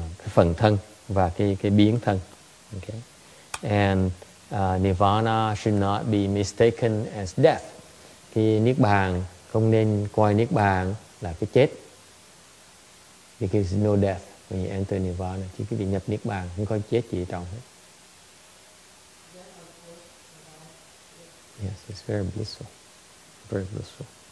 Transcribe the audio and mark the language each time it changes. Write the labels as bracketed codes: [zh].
[vi] phần thân và cái biến thân. [en] Okay. And Nirvana should not be mistaken as death. [vi] Cái Niết Bàn không nên coi Niết Bàn là cái chết. [en] Because no death when you enter Nirvana. [vi] Chỉ cái vị nhập Niết Bàn, không có chết gì trong hết. [en] Yes, it's very blissful. Very blissful.